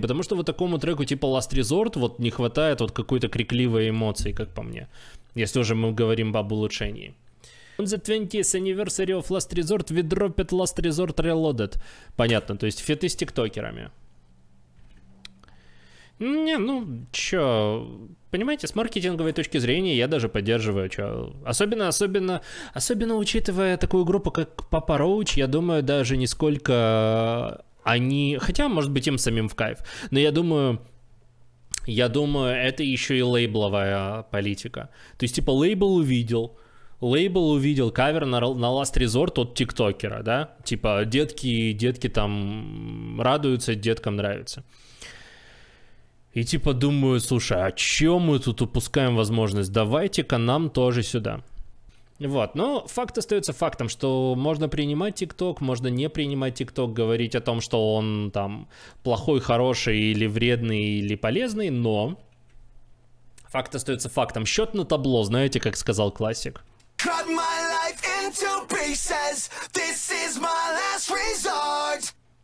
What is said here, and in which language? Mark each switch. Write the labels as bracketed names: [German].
[Russian] Потому что вот такому треку типа Last Resort вот не хватает вот какой-то крикливой эмоции, как по мне. Если уже мы говорим об улучшении. [English] On the 20th anniversary of Last Resort, we dropped Last Resort Reloaded. [Russian] Понятно, то есть фиты с тиктокерами. Не, ну, чё, понимаете, с маркетинговой точки зрения я даже поддерживаю, чё. Особенно учитывая такую группу, как Папа Роуч, я думаю, даже нисколько они... Хотя, может быть, им самим в кайф, но я думаю, это ещё и лейбловая политика. То есть, типа, лейбл увидел кавер на Last Resort от тиктокера, да? Типа, детки там радуются, деткам нравится. И типа думаю, слушай, а чё мы тут упускаем возможность? Давайте-ка нам тоже сюда. Вот, но факт остается фактом, что можно принимать ТикТок, можно не принимать ТикТок, говорить о том, что он там плохой, хороший или вредный, или полезный, но факт остается фактом. Счет на табло, знаете, как сказал классик. [English] Cut my life into pieces, this is my last resort.